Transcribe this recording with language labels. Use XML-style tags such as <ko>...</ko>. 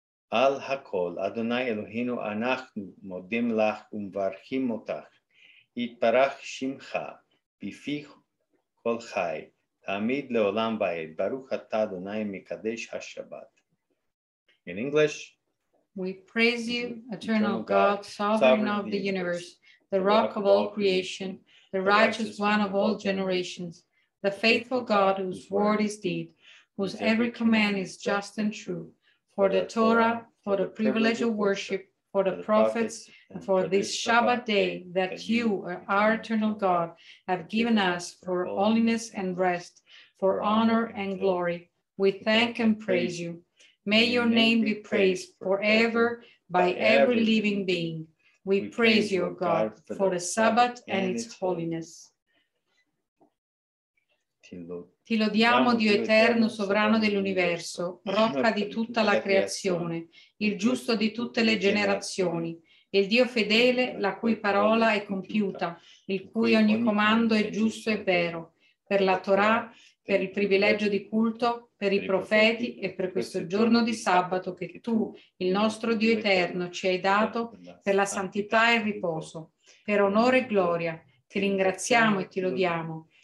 <he>על הכל, אדוני אלוהינו, אנחנו מודים לך ומברכים אותך. יתברך שמך בפי כל חי, תמיד לעולם ועד. ברוך אתה, אדוני, מקדש השבת.</he> <en>In English. We praise you, eternal God, sovereign of the universe, the rock of all creation, the righteous one of all generations, the faithful God whose word is deed, whose every command is just and true, for the Torah, for the privilege of worship, for the prophets, and for this Shabbat day that you, our eternal God, have given us for holiness and rest, for honor and glory. We thank and praise you. May your name be praised forever by every living being. We praise you, God, for the Sabbath and its holiness.</en> <it>Ti lodiamo, Dio eterno, sovrano dell'universo, rocca di tutta la creazione, il giusto di tutte le generazioni, il Dio fedele, la cui parola è compiuta, il cui ogni comando è giusto e vero, per la Torah, per il privilegio di culto, per i profeti e per questo giorno di sabato che tu, il nostro Dio eterno, ci hai dato per la santità e il riposo, per onore e gloria, ti ringraziamo e ti lodiamo.</it>